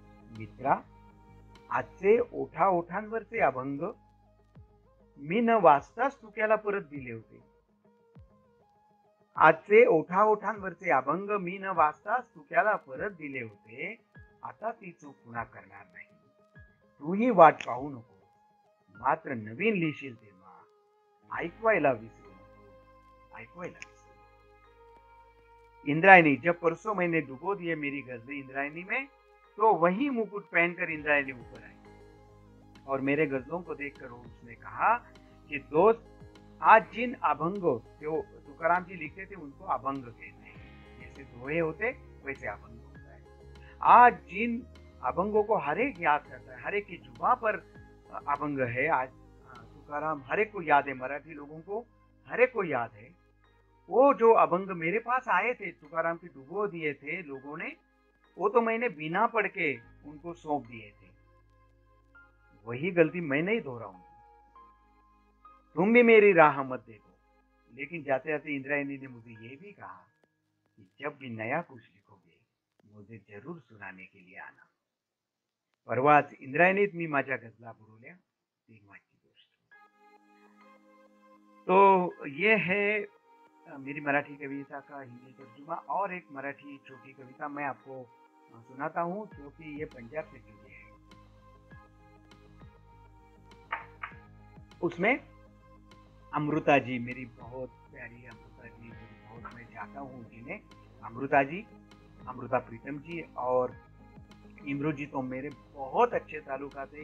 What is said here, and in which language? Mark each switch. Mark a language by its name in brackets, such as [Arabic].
[Marathi] मित्रा आजचे ओठांवरचे अभंग मी न वाचताच तुक्याला परत दिले होते, आजचे ओठांवरचे अभंग मी न वाचताच तुक्याला परत दिले होते, आता ती चूक पुन्हा करणार नाही, तूही वाट पाहू नको, मात्र नवीन लिहिशील तेव्हा ऐकवायला विसरू नको, ऐकवायला विसरू। [Hindi] इंद्रायणी जब परसों मैंने डुबो दिए मेरी गजल इंद्रायणी में, तो वही मुकुट पहनकर इंद्रायणी ऊपर आई और मेरे गजलों को देखकर उसने कहा कि दोस्त आज जिन अभंगों जो तुकाराम जी लिखते थे उनको अभंग कहते हैं, जैसे दोहे होते वैसे अभंग होता है, आज जिन अभंगों को हर एक याद करता है, हर एक की जुबा पर अभंग है, आज तुकाराम हर एक को याद है, मराठी लोगों को हर एक को याद है, वो जो अभंग मेरे पास आए थे तुकाराम के डुबो दिए थे लोगों ने, वो तो मैंने बिना पढ़ के उनको सौंप दिए थे, वही गलती मैं नहीं दोहराऊंगी, तुम भी मेरी राह मत देखो। लेकिन जाते जाते इंद्रायणी ने मुझे ये भी कहा कि जब भी नया कुछ लिखोगे मुझे जरूर सुनाने के लिए आना। [Marathi] परवाच इंद्रायणीत मी माझ्या गजला बुरुल्या, तेव्हाची गोष्ट। [Hindi] तो ये है मेरी मराठी कविता का हिंदी तर्जुमा। और एक मराठी छोटी कविता मैं आपको सुनाता हूँ, जो कि ये पंजाब से जुड़ी है। उसमें अमृता जी, मेरी बहुत प्यारी अमृता जी, बहुत मैं जाता हूँ जिन्हें, अमृता जी, अमृता प्रीतम जी और इमरोज जी, तो मेरे बहुत अच्छे तालुका थे।